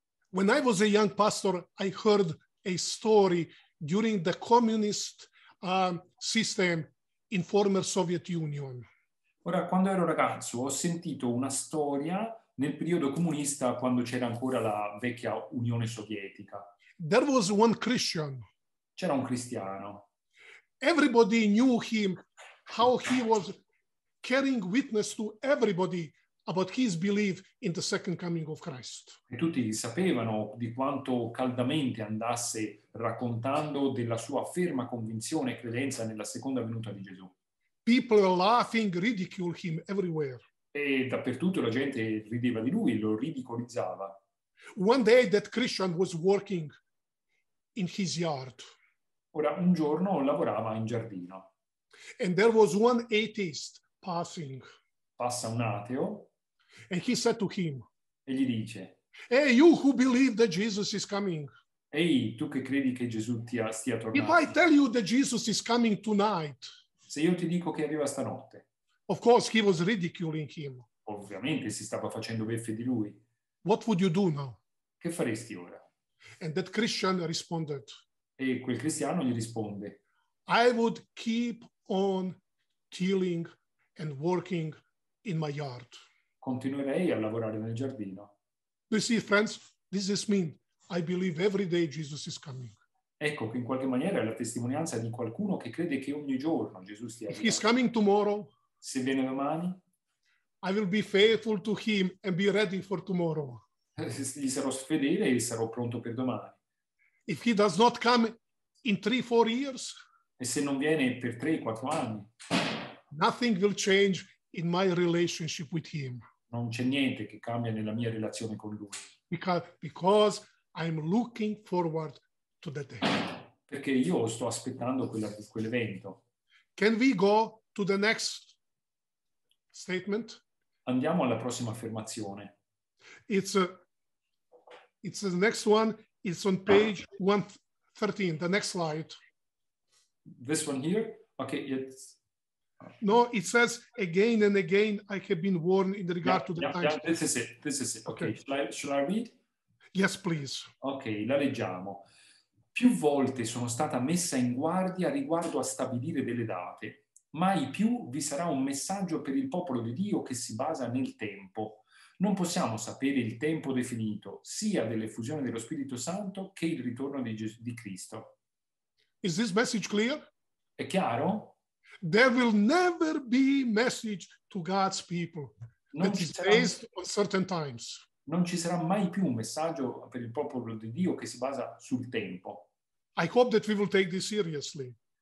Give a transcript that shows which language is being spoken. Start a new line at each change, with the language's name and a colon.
English: When I was a young pastor, I heard a story during the communist system in former Soviet Union.
Italian: Ora, quando ero ragazzo, ho sentito una storia nel periodo comunista, quando c'era ancora la vecchia Unione Sovietica.
English: There was one Christian.
Italian: C'era un cristiano.
English: Everybody knew him, how he was carrying witness to everybody about his belief in the second coming of Christ.
Italian: E tutti sapevano di quanto caldamente andasse raccontando della sua ferma convinzione e credenza nella seconda venuta di Gesù.
English: People laughing ridicule him everywhere.
Italian: E dappertutto la gente rideva di lui, lo ridicolizzava.
English: One day that Christian was working in his yard.
Italian: Ora, un giorno lavorava in giardino.
English: And there was one atheist passing.
Italian: Passa un ateo.
English: And he said to him,
Italian: e gli dice,
English: hey, you who believe that Jesus is coming.
Italian: Ehi, tu che credi che Gesù stia tornando.
English: If I tell you that Jesus is coming tonight.
Italian: Se io ti dico che arriva stanotte.
English: Of course he was ridiculing him.
Italian: Ovviamente si stava facendo beffe di lui.
English: What would you do now?
Italian: Che faresti ora?
English: And that Christian responded.
Italian: E quel cristiano gli risponde.
English: I would keep on tilling and working in my yard.
Italian: Continuerei a lavorare nel giardino.
English: You see, friends, this is me. I believe every day Jesus is coming.
Italian: Ecco che in qualche maniera è la testimonianza di qualcuno che crede che ogni giorno Gesù stia arrivando.
English: If he's coming tomorrow,
Italian: se viene domani,
English: I will be faithful to him and be ready for tomorrow.
Italian: Gli sarò fedele e sarò pronto per domani.
English: If he does not come in 3-4 years,
Italian: e se non viene per 3-4 anni,
English: nothing will change in my relationship with him.
Italian: Non c'è niente che cambia nella mia relazione con lui.
English: Because I'm looking forward to the day.
Italian: Perché io sto aspettando quell'evento.
English: Can we go to the next statement?
Italian: Andiamo alla prossima affermazione.
English: It's the next one. It's on page 113. The next slide. This one here? Okay, it's... No, it says, again and again, I have been warned in regard to the times. Yeah, this is it, this is it. Okay, okay. Shall I read? Yes, please.
Italian: Okay, la leggiamo. Più volte sono stata messa in guardia riguardo a stabilire delle date. Mai più vi sarà un messaggio per il popolo di Dio che si basa nel tempo. Non possiamo sapere il tempo definito, sia dell'effusione dello Spirito Santo che il ritorno di Gesù di Cristo.
English: Is this message clear?
Italian: È chiaro?
English: There will never be message to God's people that is based on certain times.
Italian: Non ci sarà mai più un messaggio per il popolo di Dio che si basa sul tempo.
English: I hope that we will take this seriously.